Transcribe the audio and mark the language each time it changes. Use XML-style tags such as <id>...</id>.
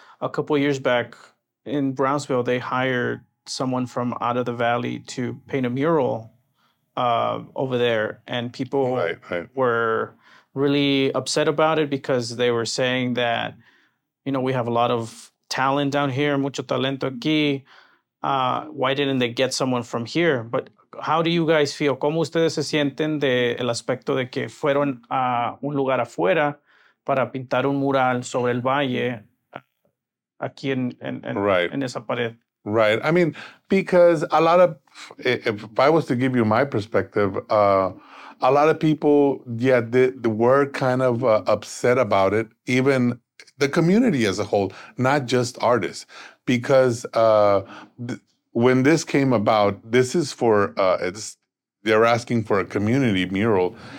<en>A couple of years back in Brownsville, they hired someone from out of the valley to paint a mural over there. And people were really upset about it because they were saying that, you know, we have a lot of talent down here, mucho talento aquí. Why didn't they get someone from here? But how do you guys feel?</en> <es>¿Cómo ustedes se sienten del aspecto de que fueron a un lugar afuera para pintar un mural sobre el valle? Aquí en esa pared.</es> <en>Right. I mean, because a lot of, if I was to give you my perspective, a lot of people, yeah, they were kind of upset about it, even the community as a whole, not just artists. Because when this came about, this is for, they're asking for a community mural.</en>